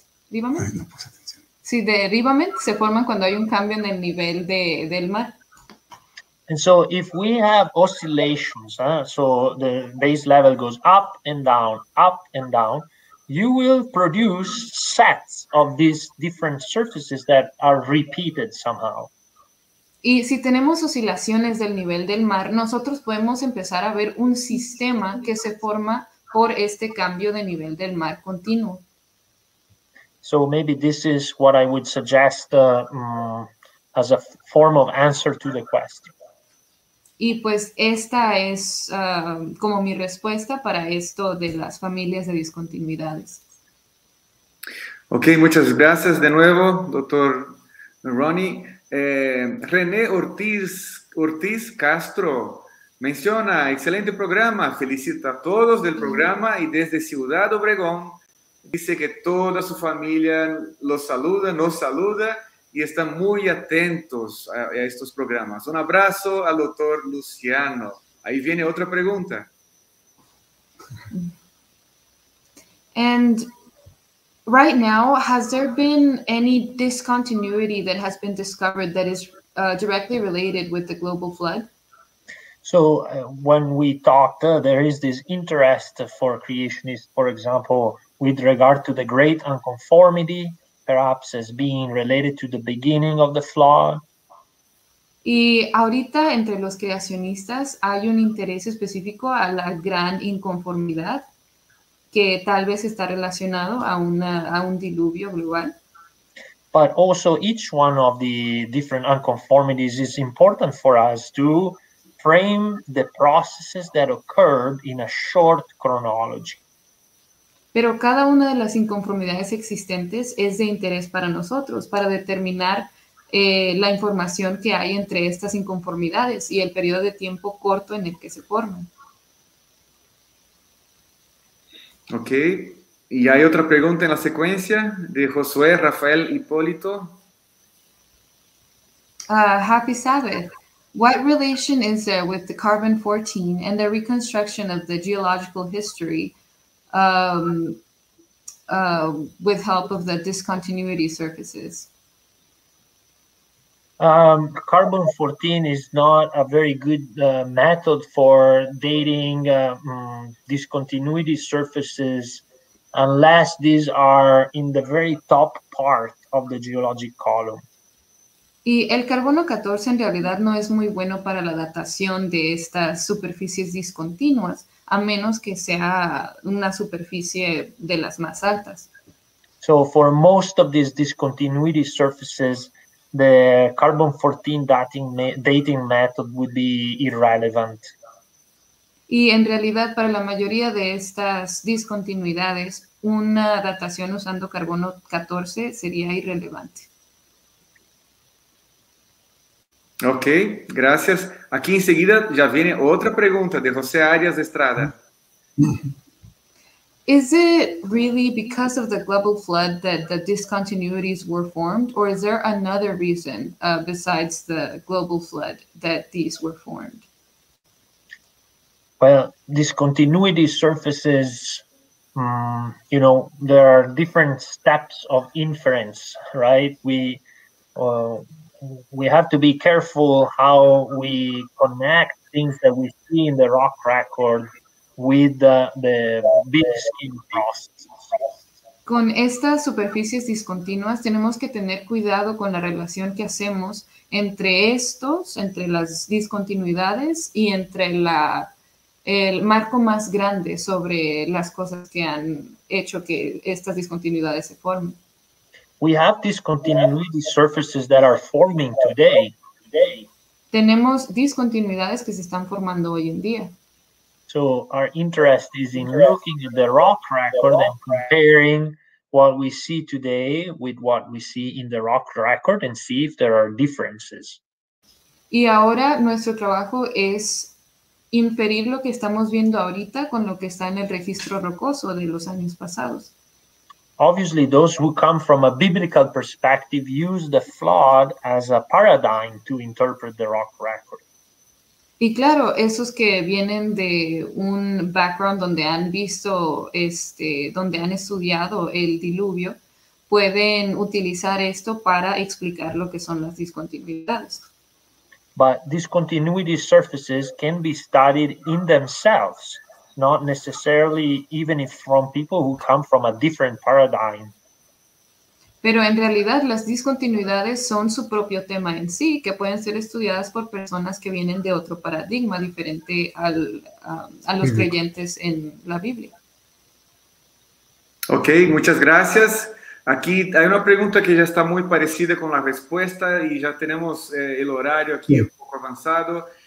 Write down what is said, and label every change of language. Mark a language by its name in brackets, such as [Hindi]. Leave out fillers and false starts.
[Spanish] Derivament se forman cuando hay un cambio en el nivel del mar. [English] And so if we have oscillations, so the base level goes up and down, you will produce sets of these different surfaces that are repeated somehow. [Spanish] Y si tenemos oscilaciones del nivel del mar, nosotros podemos empezar a ver un sistema que se forma por este cambio de nivel del mar continuo. [English] So maybe this is what I would suggest as a form of answer to the question. [Spanish] Y pues esta es como mi respuesta para esto de las familias de discontinuidades. Ok, muchas gracias de nuevo, doctor Ronnie. René Ortiz Castro menciona, excelente programa, felicita a todos del programa y desde Ciudad Obregón dice que toda su familia nos saluda. Y están muy atentos a estos programas. Un abrazo al doctor Luciano. Ahí viene otra pregunta. [English] And right now, has there been any discontinuity that has been discovered that is directly related with the global flood? So when we talked, there is this interest for creationists, for example, with regard to the great unconformity, perhaps as being related to the beginning of the flood. [Spanish] Y ahorita entre los creacionistas hay un interés específico a la gran inconformidad que tal vez está relacionado a un diluvio global. [English] But also each one of the different unconformities is important for us to frame the processes that occurred in a short chronology. [Spanish] Pero cada una de las inconformidades existentes es de interés para nosotros, para determinar la información que hay entre estas inconformidades y el periodo de tiempo corto en el que se forman. Ok, y hay otra pregunta en la secuencia de Josué Rafael Hipólito. [English] Happy Sabbath. What relation is there with the carbon 14 and the reconstruction of the geological history with help of the discontinuity surfaces? Carbon 14 is not a very good method for dating discontinuity surfaces unless these are in the very top part of the geologic column. [Spanish] Y el carbono 14 en realidad no es muy bueno para la datación de estas superficies discontinuas, a menos que sea una superficie de las más altas. [English] So for most of these discontinuity surfaces, the carbon 14 dating method would be irrelevant. [Spanish] Y en realidad para la mayoría de estas discontinuidades, una datación usando carbono 14 sería irrelevante. Ok, gracias. Aquí enseguida ya viene otra pregunta de José Arias de Estrada. [English] Is it really because of the global flood that the discontinuities were formed, or is there another reason besides the global flood that these were formed? Well, discontinuity surfaces, you know, there are different steps of inference, right? We have to be careful how we connect things that we see in the rock record with the big skin process. [Spanish] Con estas superficies discontinuas tenemos que tener cuidado con la relación que hacemos entre estos, entre las discontinuidades y entre el marco más grande sobre las cosas que han hecho que estas discontinuidades se formen. [English] We have discontinuity surfaces that are forming today. [Spanish] Tenemos discontinuidades que se están formando hoy en día. [English] So our interest is in looking at the rock record and comparing what we see today with what we see in the rock record and see if there are differences. [Spanish] Y ahora nuestro trabajo es inferir lo que estamos viendo ahorita con lo que está en el registro rocoso de los años pasados. [English] Obviously, those who come from a biblical perspective use the flood as a paradigm to interpret the rock record. [Spanish] Y claro, esos que vienen de un background donde han visto, donde han estudiado el diluvio, pueden utilizar esto para explicar lo que son las discontinuidades. [English] But discontinuity surfaces can be studied in themselves. Not necessarily even if from people who come from a different paradigm. [Spanish] Pero en realidad las discontinuidades son su propio tema en sí, que pueden ser estudiadas por personas que vienen de otro paradigma diferente a los creyentes en la Biblia. Ok, muchas gracias. Aquí hay una pregunta que ya está muy parecida con la respuesta y ya tenemos el horario aquí un poco avanzado.